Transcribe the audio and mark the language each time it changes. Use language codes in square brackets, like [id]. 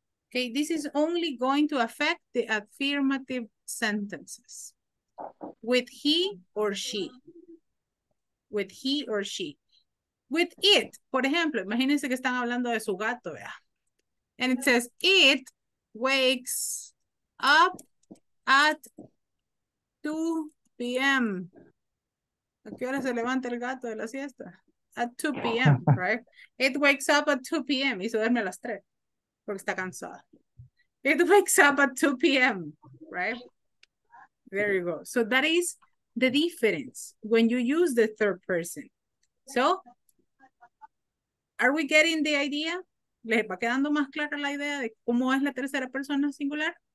[en] Okay, this is only going to affect the affirmative sentences with he or she. With he or she. With it, [es] por ejemplo, imagínense que están hablando de su gato, ¿verdad? [en] And it says, it wakes up at 2 p.m. [es] ¿A qué hora se levanta el gato de la siesta? [en] At 2 p.m., right? It wakes up at 2 p.m. [es] Hizo duerme a las 3, porque está cansada. [en] It wakes up at 2 p.m., right? There you go. So that is the difference when you use the third person. So, are we getting the idea? [es] ¿Les va quedando más clara la idea de cómo es la tercera persona singular?